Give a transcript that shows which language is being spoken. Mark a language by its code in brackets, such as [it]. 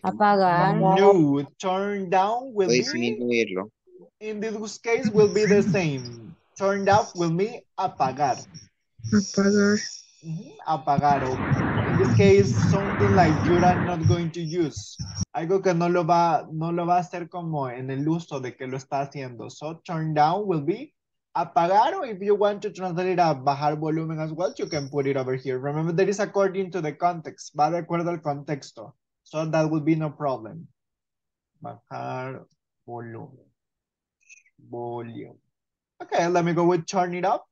[es] Apagar. [en] No, turn down will [es] disminuirlo. [en] In this case will be the same. Turn down will mean apagar. [es] Apagar. Mm-hmm. Apagar. [en] In this case, something like you are not going to use. [es] Algo que no lo va a hacer como en el uso de que lo está haciendo. [en] So turn down will be apagar. Or if you want to translate it a bajar volumen as well, you can put it over here. Remember, that is according to the context. [es] Va de acuerdo al contexto. [en] So that would be no problem. [es] Bajar volumen. [en] Okay, let me go with turn it up.